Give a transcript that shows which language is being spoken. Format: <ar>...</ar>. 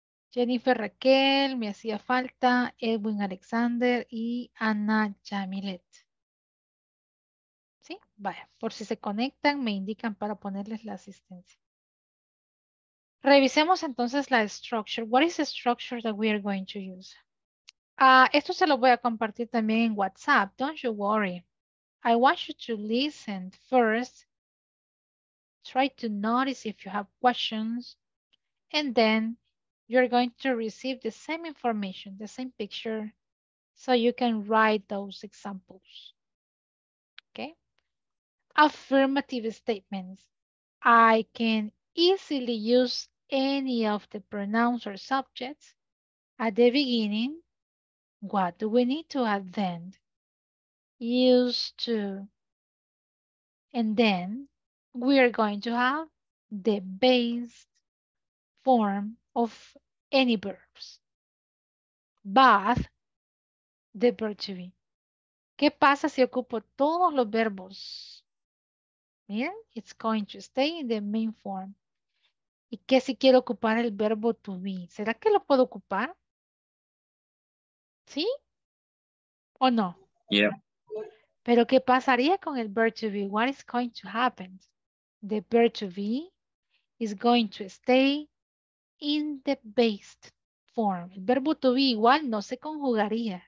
<es>Jennifer Raquel, me hacía falta, Edwin Alexander y Ana Yamilet. ¿Sí? Vaya, por si se conectan, me indican para ponerles la asistencia. Revisemos entonces la structure.</es> <en>What is the structure that we are going to use?</en> <es>Esto se lo voy a compartir también en WhatsApp.</es> <en>Don't you worry. I want you to listen first. Try to notice if you have questions. And then you're going to receive the same information, the same picture, so you can write those examples. Okay? Affirmative statements. I can easily use any of the pronouns or subjects at the beginning. What do we need to add then? Used to. And then we are going to have the base form of any verbs. But the verb to be.</en> <es>¿Qué pasa si ocupo todos los verbos? Miren,</es> <en>it's going to stay in the main form.</en> <es>¿Y qué si quiero ocupar el verbo to be? ¿Será que lo puedo ocupar? ¿Sí? ¿O no?</es> <en>Yeah.</en> <es>¿Pero qué pasaría con el verb to be?</es> <en>What is going to happen? The verb to be is going to stay in the base form.</en> <es>El verbo to be igual no se conjugaría.</es>